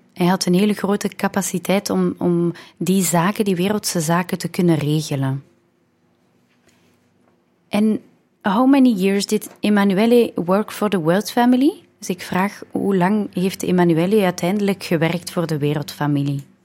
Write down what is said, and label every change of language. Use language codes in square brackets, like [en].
[nl] Hij had een hele grote capaciteit om die zaken, die wereldse zaken, te kunnen regelen. [en] En how many years did Emanuele work for the world family? [nl] Dus ik vraag, hoe lang heeft Emanuele uiteindelijk gewerkt voor de wereldfamilie?